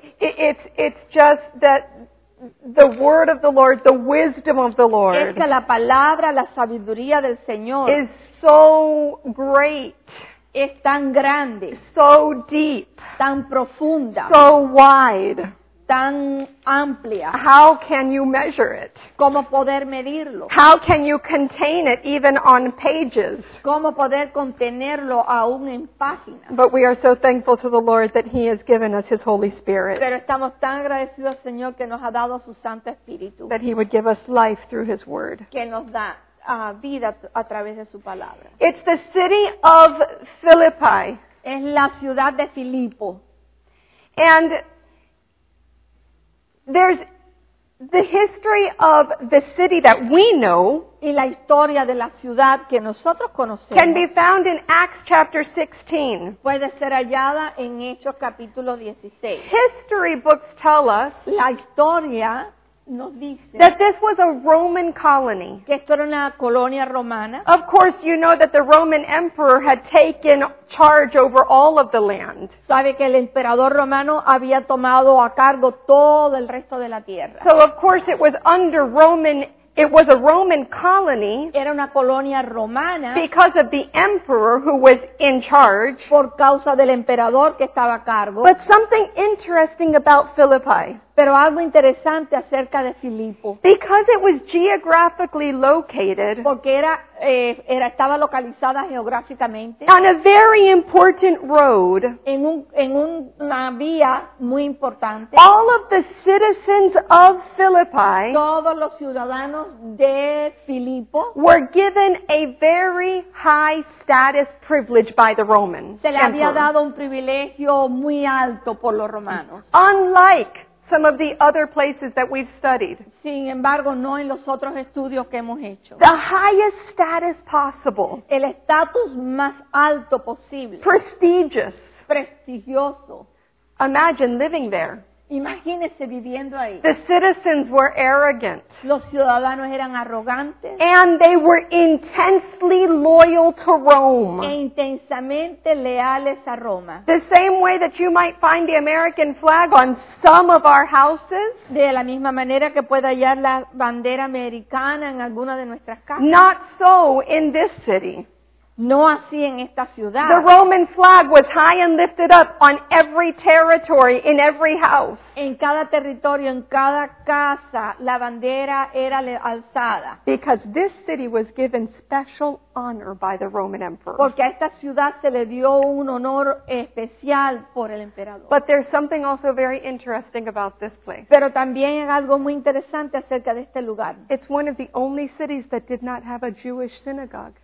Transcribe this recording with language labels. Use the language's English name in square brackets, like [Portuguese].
[English] It's just that the word of the Lord, the wisdom of the Lord, [Spanish] es que la palabra, la sabiduría del Señor, [English] is so great, [Spanish] es tan grande, [English] so deep, [Spanish] tan profunda, [English] so wide, [Spanish] tan amplia. [English] How can you measure it? [Spanish] ¿Cómo poder medirlo? [English] How can you contain it even on pages? [Spanish] ¿Cómo poder contenerlo aún en páginas? [English] But we are so thankful to the Lord that He has given us His Holy Spirit. [Spanish] Pero estamos tan agradecidos al Señor que nos ha dado su Santo Espíritu. [English] That He would give us life through His Word. [Spanish] Que nos da vida a través de su palabra. [English] It's the city of Philippi. [Spanish] Es la ciudad de Filipo. [English] And there's the history of the city that we know, [Spanish] y la historia de la ciudad que nosotros conocemos, [English] can be found in Acts chapter 16. [Spanish] Puede ser hallada en Hechos capítulo 16. [English] History books tell us, [Spanish] la historia nos dice, [English] that this was a Roman colony. [Spanish] Que esto era una colonia romana. [English] Of course, you know that the Roman emperor had taken charge over all of the land. [Spanish] Sabe que el emperador romano había tomado a cargo todo el resto de la tierra. [English] So of course it was under Roman, it was a Roman colony. [Spanish] Era una colonia romana. [English] Because of the emperor who was in charge. [Spanish] Por causa del emperador que estaba a cargo. [English] But something interesting about Philippi. [Spanish] Pero algo interesante acerca de Filipo. [English] Because it was geographically located. [Spanish] Porque estaba localizada geográficamente. [English] On a very important road. [Spanish] En una vía muy importante. [English] All of the citizens of Philippi. [Spanish] Todos los ciudadanos de Filipo. [English] Were given a very high status privilege by the Romans. [Spanish] Se le había dado un privilegio muy alto por los romanos. [English] Unlike some of the other places that we've studied. [Spanish] Sin embargo, no en los otros estudios que hemos hecho. [English] The highest status possible. [Spanish] El estatus más alto posible. [English] Prestigious. [Spanish] Prestigioso. [English] Imagine living there. [Spanish] Imagínese viviendo ahí. [English] The citizens were arrogant. [Spanish] Los ciudadanos eran arrogantes. [English] And they were intensely loyal to Rome. [Spanish] E intensamente leales a Roma. [English] The same way that you might find the American flag on some of our houses. [Spanish] De la misma manera que puede hallar la bandera americana en alguna de nuestras casas. [English] Not so in this city. [Spanish] No así en esta ciudad. [English] The Roman flag was high and lifted up on every territory, in every house. [Spanish] En cada territorio, en cada casa, la bandera era alzada. [English] Because this city was given special honor by the Roman emperor. [Spanish] Porque a esta ciudad se le dio un honor especial por el emperador. [English] But there's something also very interesting about this place. [Spanish] Pero también hay algo muy interesante acerca de este lugar. [English] It's one of the only cities that did not have a Jewish synagogue.